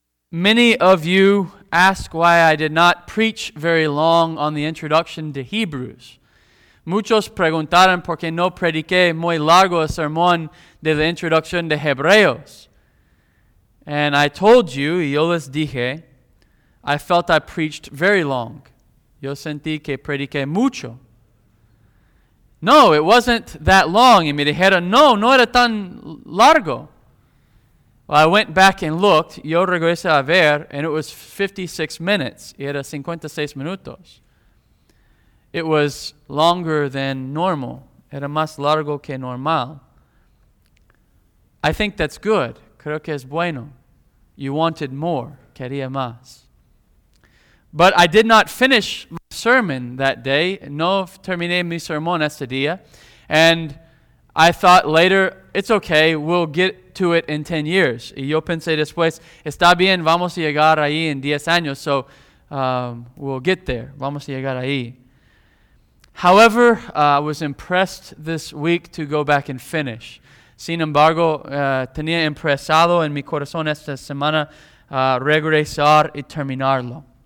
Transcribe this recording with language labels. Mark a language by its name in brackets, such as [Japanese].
[English] Many of you ask why I did not preach very long on the introduction to Hebrews. [Spanish] Muchos preguntaron por qué no prediqué muy largo el sermón de la introducción de Hebreos. [English] And I told you, [Spanish] yo les dije, [English] I felt I preached very long. [Spanish] Yo sentí que prediqué mucho. No, [English] it wasn't that long. [Spanish] Y me dijeron, no era tan largo. [English] Well, I went back and looked, [Spanish] yo regresé a ver, [English] and it was 56 minutes. [Spanish] Y era 56 minutos. [English] It was longer than normal. [Spanish] Era más largo que normal. [English] I think that's good. [Spanish] Creo que es bueno. [English] You wanted more. [Spanish] Quería más. [English] But I did not finish my sermon that day. [Spanish] No terminé mi sermón ese día. [English] And I thought later, it's okay, we'll get to it in 10 years. [Spanish] Y yo pensé después, está bien, vamos a llegar ahí en 10 años, [English] so we'll get there, [Spanish] vamos a llegar ahí. [English] However, I was impressed this week to go back and finish. [Spanish] Sin embargo, tenía impresado en mi corazón esta semana regresar y terminarlo.